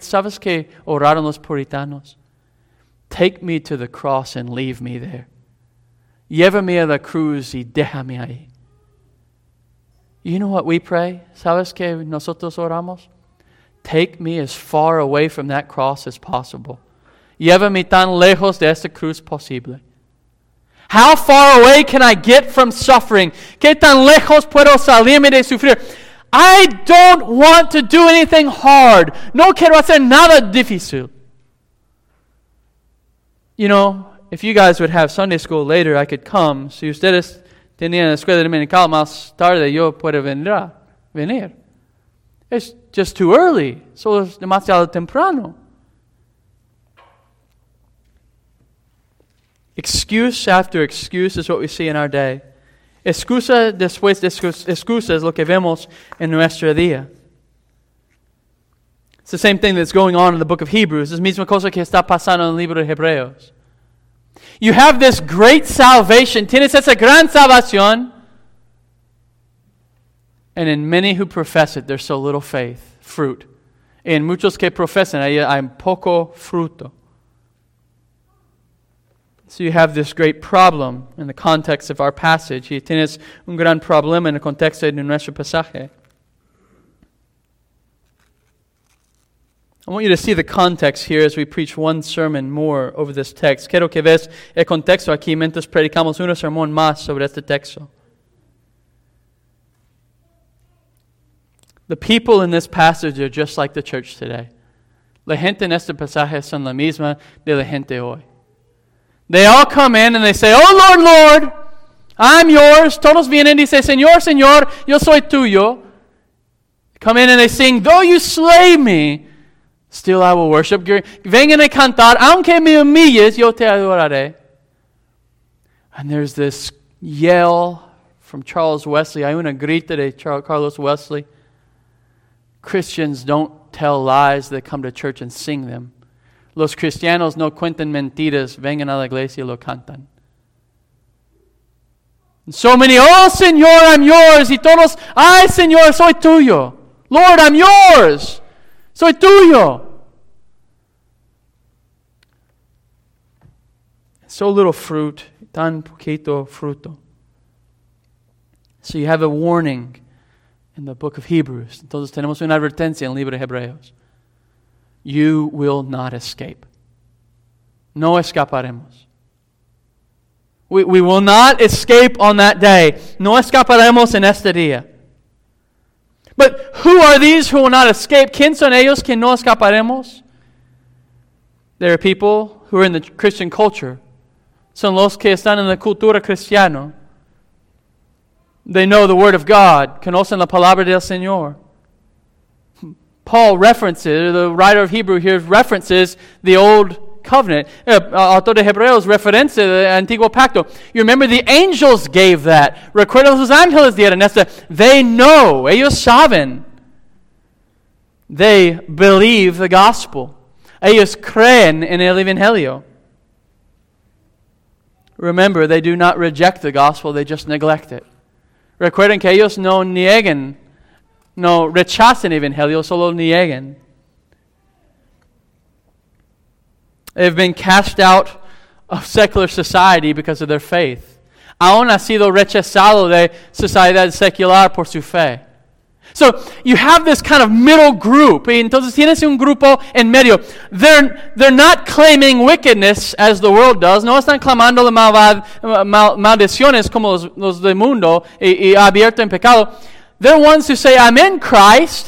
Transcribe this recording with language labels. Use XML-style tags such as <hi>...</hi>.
<es>¿Sabes qué oraron los puritanos?</es> <en>Take me to the cross and leave me there.</en> <es>Llévame a la cruz y déjame ahí.</es> <en>You know what we pray?</en> <es>¿Sabes qué nosotros oramos?</es> <en>take me as far away from that cross as possible.</en> <es>Llévame tan lejos de esta cruz posible.</es> <en>How far away can I get from suffering?</en> <es>¿Qué tan lejos puedo salirme de sufrir?</es> <en>I don't want to do anything hard.</en> <es>No quiero hacer nada difícil.</es> <en>You know, if you guys would have Sunday school later, I could come.</en> <es>Si ustedes tenían la escuela dominical más tarde, yo puedo venir.</es> <en>It's just too early.</en> <es>Solo es demasiado temprano.</es> <en>Excuse after excuse is what we see in our day.</en> <es>Excusa después de excusa es lo que vemos en nuestro día.</es> <en>It's the same thing that's going on in the book of Hebrews.</en> <es>Es la misma cosa que está pasando en el libro de Hebreos.</es> <en>You have this great salvation.</en> <es>Tienes esa gran salvación.</es> <en>And in many who profess it, there's so little faith, fruit.</en> <es>En muchos que profesan, hay poco fruto.</es> <en>So you have this great problem in the context of our passage.</en> <es>Y tienes un gran problema en el contexto de nuestro pasaje.</es> <en>I want you to see the context here as we preach one sermon more over this text.</en> <es>Quiero que veas el contexto aquí mientras predicamos un sermón más sobre este texto.</es> <en>The people in this passage are just like the church today.</en> <es>La gente en este pasaje son la misma de la gente hoy.</es> <en>They all come in and they say, "Oh Lord, Lord, I'm yours."</en> <es>Todos vienen y dicen, "Señor, Señor, yo soy tuyo."</es> <en>Come in and they sing, "Though you slay me, still I will worship."</en> <es>Vengan a cantar, "Aunque me humilles, yo te adoraré."</es> <en>And there's this yell from Charles Wesley.</en> <es>Hay una grita de Carlos Wesley.</es> <en>Christians don't tell lies. They come to church and sing them.</en> <es>Los cristianos no cuentan mentiras. Vengan a la iglesia y lo cantan.</es> <en>And so many, "Oh, Señor, I'm yours."</en> <es>Y todos, "Ay, Señor, soy tuyo.</es> <en>Lord, I'm yours.</en> <es>Soy tuyo."</es> <en>So little fruit,</en> <es>tan poquito fruto.</es> <en>So you have a warning in the book of Hebrews.</en> <es>Entonces tenemos una advertencia en el libro de Hebreos.</es> <en>You will not escape.</en> <es>No escaparemos.</es> <en>We will not escape on that day.</en> <es>No escaparemos en este día.</es> <en>But who are these who will not escape?</en> <es>¿Quién son ellos que no escaparemos?</es> <en>There are people who are in the Christian culture.</en> <es>Son los que están en la cultura cristiana.</es> <en>They know the word of God.</en> <es>Conocen la palabra del Señor.</es> <en>Paul references, the writer of Hebrew here references the old covenant.</en> <es>Autor de Hebreos</es> <en>reference the</en> <es>antiguo pacto.</es> <en>You remember the angels gave that.</en> <es>Recuerda los ángeles dieron esta.</es> <en>They know.</en> <es>Ellos saben.</es> <en>They believe the gospel.</en> <es>Ellos creen en el evangelio.</es> <en>Remember, they do not reject the gospel, they just neglect it.</en> <es>Recuerden que ellos no niegan, no rechazan el evangelio, solo niegan.</es> <en>They've been cast out of secular society because of their faith.</en> <es>Aún ha sido rechazado de sociedad secular por su fe.</es> <en>So you have this kind of middle group.</en> <es>Entonces tienes un grupo en medio.</es> <en>They're not claiming wickedness as the world does.</en> <es>No están clamando la maldiciones como los del mundo y abierto en pecado.</es> <en>They're ones who say, "I'm in Christ."</en>